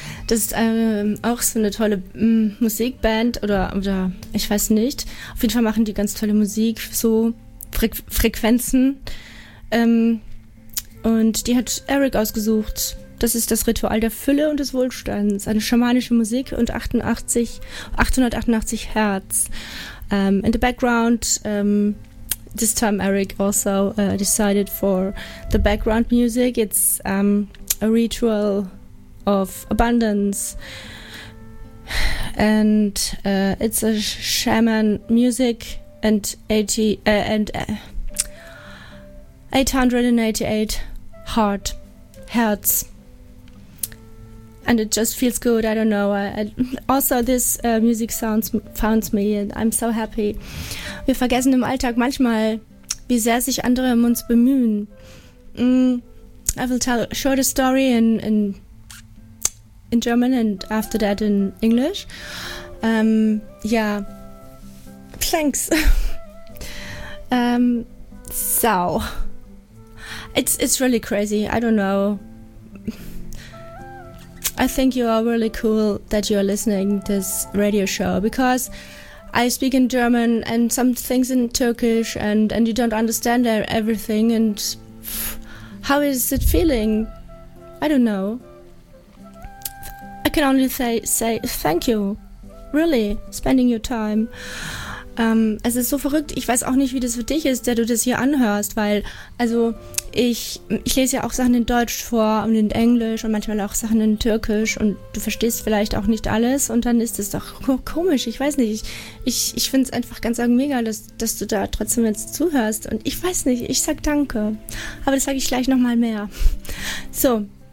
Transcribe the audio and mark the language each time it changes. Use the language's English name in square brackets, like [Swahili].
[German] Das ist auch so eine tolle Musikband oder ich weiß nicht. Auf jeden Fall machen die ganz tolle Musik, so Frequenzen. Und die hat Eric ausgesucht. Das ist das Ritual der Fülle und des Wohlstands. Eine schamanische Musik und 888 Hertz. [English] In the background, this time Eric also decided for the background music. It's a ritual of abundance. And it's a shaman music and 888 Hertz. And it just feels good. I don't know. Also, this music sounds me, and I'm so happy. [German] Wir vergessen im Alltag manchmal, wie sehr sich andere um uns bemühen. [English] I will tell a shorter story in German and after that in English. Yeah. Thanks. So, it's really crazy. I don't know. I think you are really cool that you are listening this radio show, because I speak in German and some things in Turkish, and you don't understand everything, and how is it feeling? I don't know. I can only say thank you, really, spending your time. [German] Es ist so verrückt, ich weiß auch nicht, wie das für dich ist, der du das hier anhörst, weil, also, ich lese ja auch Sachen in Deutsch vor und in Englisch und manchmal auch Sachen in Türkisch und du verstehst vielleicht auch nicht alles und dann ist es doch komisch, ich weiß nicht, ich finde es einfach ganz mega, dass du da trotzdem jetzt zuhörst und ich weiß nicht, ich sag danke, aber das sage ich gleich nochmal mehr. So.